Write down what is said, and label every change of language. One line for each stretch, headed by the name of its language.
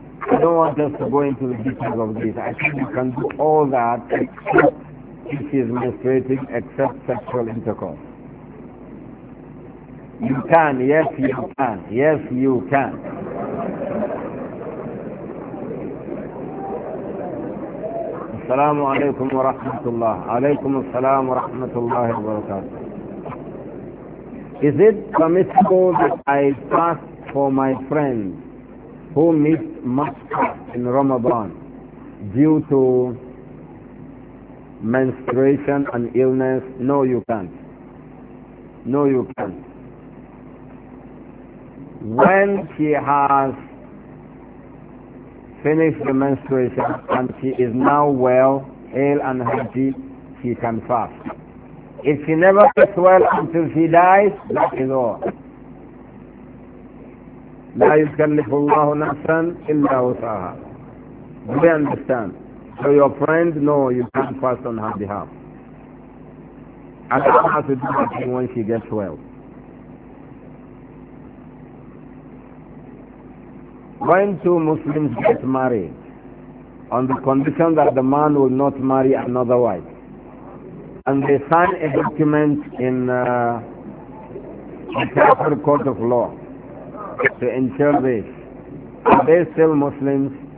English: I don't want us to go into the details of this. I think you can do all that except if she is menstruating, except sexual intercourse. You can, yes you can, yes you can.
Arabic: السلام عليكم ورحمة الله عليكم السلام ورحمة الله وبركاته.
English: Is it permissible that I fast for my friend who missed masjid in Ramadan due to menstruation and illness? No, you can't. No, you can't. When she has finished the menstruation and she is now well, hale and healthy, she can fast. If she never gets well until she dies, that is all.
Arabic: لا يكلف الله نفسا إلا وسعها.
English: Do you understand? So your friend, no, you can't fast on her behalf. I don't have to do that when she gets well. When two Muslims get married, on the condition that the man will not marry another wife, and they sign a document in the Catholic court of law to ensure this, are they still Muslims?